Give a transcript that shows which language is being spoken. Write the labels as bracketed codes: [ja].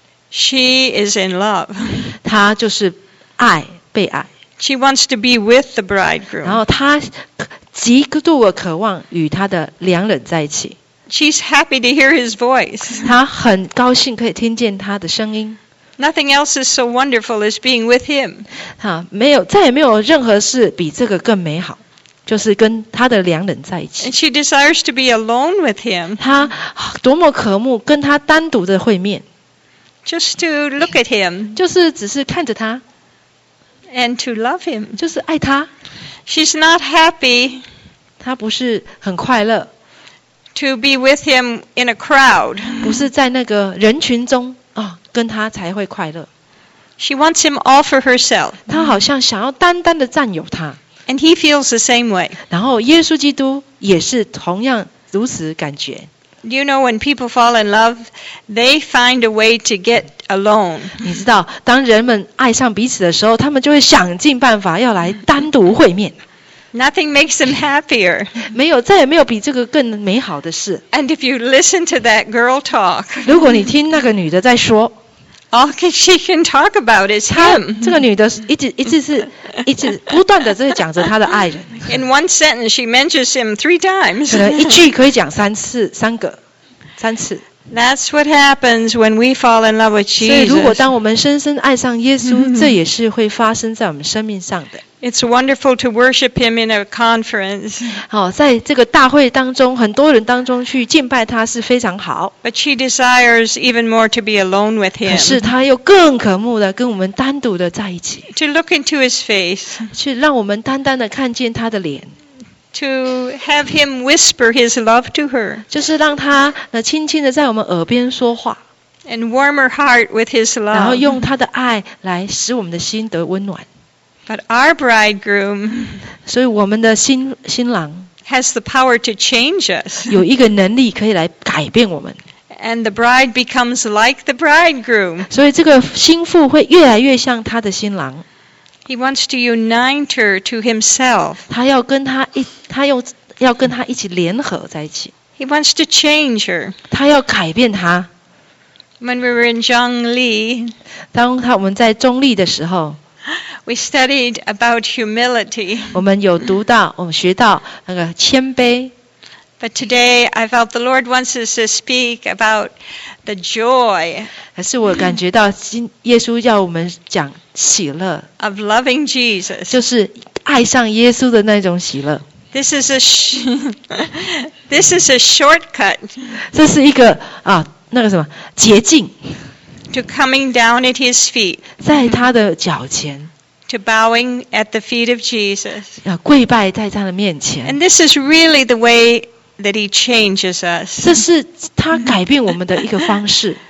[en] She is in love. [zh] 她就是爱，被爱。 [en] She wants to be with the bridegroom. [zh] 然后她极度的渴望与她的良人在一起。 [en] She's happy to hear his voice. [zh] 她很高兴可以听见他的声音。 [en] Nothing else is so wonderful as being with him. [zh] 她没有，再也没有任何事比这个更美好，就是跟她的良人在一起。 [en] And she desires to be alone with him. [zh] 她多么渴慕跟他单独的会面。 [en] Just to look at him. [zh] 就是只是看着他。 [en] And to love him. [zh] 就是爱他。 [en] She's not happy. [zh] 她不是很快乐。 [en] To be with him in a crowd. [zh] 不是在那个人群中、哦、跟他才会快乐。 [en] She wants him all for herself. [zh] 她好像想要单单的占有他。 [en] And he feels the same way. [zh] 然后耶稣基督也是同样如此感觉。 [en] You know, when people fall in love, they find a way to get alone. [zh] 你知道，当人们爱上彼此的时候，他们就会想尽办法要来单独会面。 [en] Nothing makes them happier. [zh] 没有，再也没有比这个更美好的事。 [en] And if you listen to that girl talk, [zh] 如果你听那个女的在说 [en] ，All she can talk about is him. [zh] 这个女的一直不断的在讲着她的爱人。 [en] In one sentence, she mentions him three times. [zh] 可能一句可以讲三次，三个，三次。 [en] That's what happens when we fall in love with Jesus. [zh] 所以，如果当我们深深爱上耶稣，这也是会发生在我们生命上的。 [en] It's wonderful to worship him in a conference. [zh] 好，在这个大会当中，很多人当中去敬拜他是非常好。 [en] But she desires even more to be alone with him. [zh] 可是他又更渴慕的跟我们单独的在一起。 [en] To look into his face. [zh] 去让我们单单的看见他的脸。 [en] To have him whisper his love to her. [zh] 就是让他轻轻的在我们耳边说话。 [en] And warm her heart with his love. [zh] 然后用他的爱来使我们的心得温暖。 [en] But our bridegroom, [zh] 所以我们的新郎 [en] has the power to change us. [zh] 有一个能力可以来改变我们。 [en] And the bride becomes like the bridegroom. [zh] 所以这个新妇会越来越像她的新郎。 [en] He wants to unite her to himself. [zh] 他要跟他一起联合在一起。 [en] He wants to change her. [zh] 他要改变她。 [en] When we were in Zhongli, [zh] 我们在中立的时候。 [en] We studied about humility. [zh] 我们有读到，我们学到那个谦卑。 [en] But today I felt the Lord wants us to speak about the joy. [zh] 可是我感觉到耶稣要我们讲喜乐。 [en] Of loving Jesus. [zh] 就是爱上耶稣的那种喜乐。 [en] This is a shortcut. [zh] 这是一个啊，那个什么捷径。 [en] To coming down at his feet. [zh] 在他的脚前。 [en] To bowing at the feet of Jesus. [zh] 要跪拜在他的面前。 [en] And this is really the way that he changes us. [zh] 这是他改变我们的一个方式。